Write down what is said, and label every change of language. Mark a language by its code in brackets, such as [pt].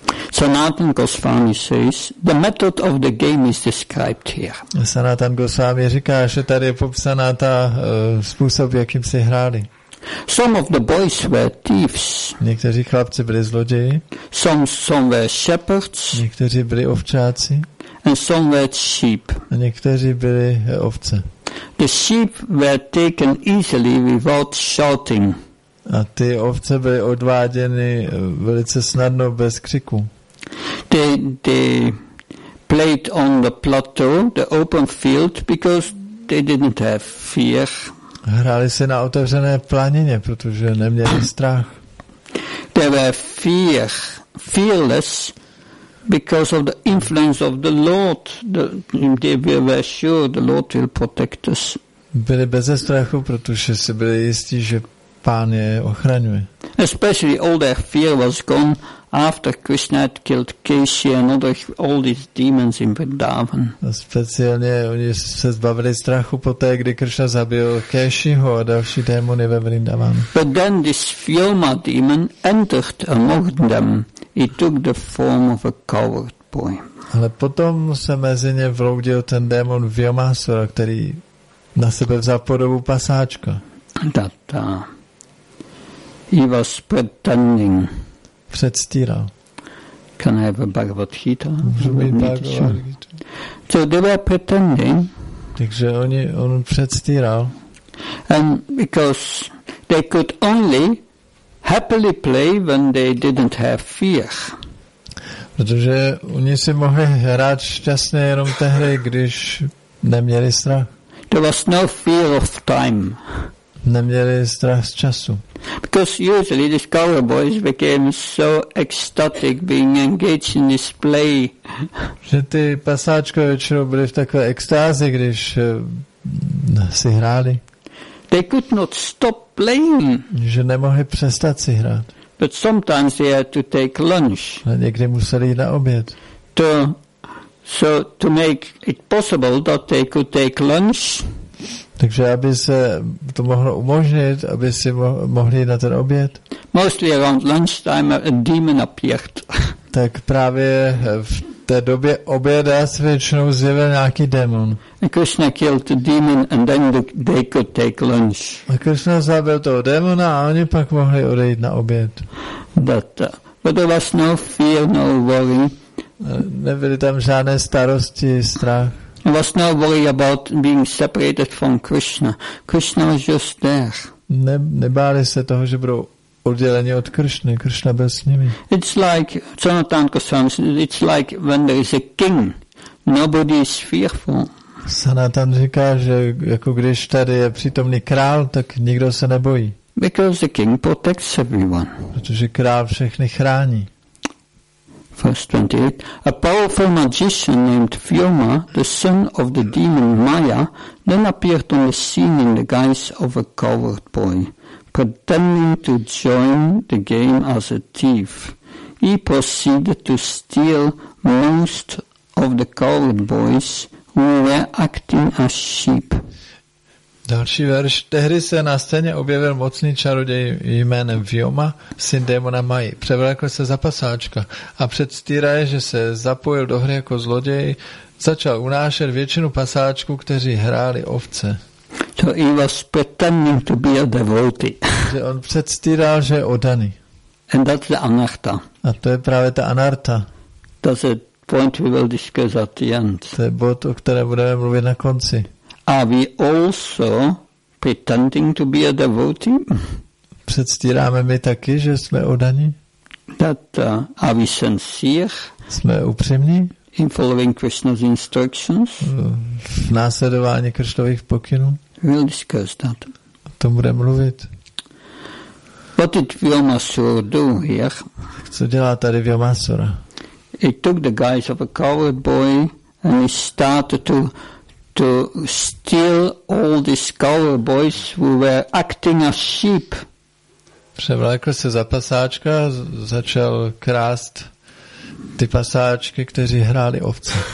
[en] Sanatan Goswami says the method of the game is described here. [cs] Sanatan Goswami říká, že tady je popsaná ta způsob, jakým si hráli. [en] Some of the boys were thieves. [cs] Někteří chlapci byli zloději. [en] Some were shepherds. [cs] Někteří byli ovčáci. [en] And some were sheep. [cs] A někteří byli ovce. [en] The sheep were taken easily without shouting. [cs] A ty ovce byly odváděny velice snadno bez křiku. [en] They played on the plateau, the open field, because they didn't have fear. [cs] Hráli se na otevřené planině, protože neměli strach. [en] They were fearless because of the influence of the Lord. They were sure the Lord will protect us. [cs] Byli bez strachu, protože si byli jistí, že Pán je ochraňuje. [en] Especially all their fear was gone after Krishna had killed Keshi and all these demons in Vrindavan. [cs] Speciálně oni se zbavili strachu poté, kdy Krishna zabil Keshiho a další démony ve Vrindavanu. [en] But then this Vyoma demon entered among them. He took the form of a coward boy. [cs] Ale potom se mezi ně vloudil ten démon Vyomasura, který na sebe vzal podobu pasáčka. [en] Tata. He was pretending. [cs] Předstíral. [en] Can I have a Bhagavad Gita? Bhagavad Gita. So they were pretending. [cs] Takže on předstíral. [en] And because they could only happily play when they didn't have fear. [cs] Protože oni si mohli hrát šťastně jenom tehdy, když neměli strach. [en] There was no fear of time. [cs] Neměli strach z času. [en] Because usually these cowboy boys became so ecstatic being engaged in this play. [cs] Že ty pasáčko většinou byli v takové extázi, když si hráli. [en] They could not stop playing. [cs] Že nemohli přestat si hrát. [en] But sometimes they had to take lunch. [cs] A někdy museli jít na oběd. [en] So to make it possible that they could take lunch. [cs] Takže aby se to mohlo umožnit, aby si mohli na ten oběd. [en] Mostly around lunchtime a demon appeared. [cs] Tak právě v té době oběda se většinou zjevil nějaký démon. [en] Krishna killed the demon and then they could take lunch. [cs] A Krishna zabil toho démona a oni pak mohli odejít na oběd. [en] But there was no fear, no worry. [cs] Nebyly tam žádné starosti, strach. [en] There was no worry about being separated from Krishna. Krishna was just there. [cs] Nebáli se toho, že budou odděleni od Krishny. Krishna byl s nimi. [en] It's like Sanatana Goswami says, it's like when there is a king, nobody is fearful. [cs] Sanatan říká, že jako když tady je přítomný král, tak nikdo se nebojí. [en] Because the king protects everyone. [cs] Protože král všechny chrání. [en] Verse 28. A powerful magician named Vyoma, the son of the demon Maya, then appeared on the scene in the guise of a coward boy, pretending to join the game as a thief. He proceeded to steal most of the coward boys who were acting as sheep. [cs] Další verš. Tehdy se na scéně objevil mocný čaroděj jménem Vyoma, syn démona Mayi. Převlékl se za pasáčka a předstíraje, že se zapojil do hry jako zloděj, začal unášet většinu pasáčků, kteří hráli ovce. [en] So he was pretending to be a devotee. [cs] Že on předstíral, že je oddaný. [en] And that's the anartha. [cs] A to je právě ta anartha. [en] That's the point we will discuss at the end. [cs] To je bod, o které budeme mluvit na konci. [en] Are we also pretending to be a devotee? [cs] Předstíráme my taky, že jsme oddaní? [en] That are we sincere? [cs] Jsme upřímní? [en] in following Krishna's instructions. [cs] V následování Krishnových pokynů. [en] We'll discuss that. [cs] O tom budeme mluvit. [en] What did Vyomasura do here? [cs] Co dělá tady Vyomasura? [en] He took the guise of a coward boy and he started to steal all these coward boys who were acting as sheep. [cs] Převlékl se za pasáčka, začal krást ty pasáčky, kteří hráli ovce.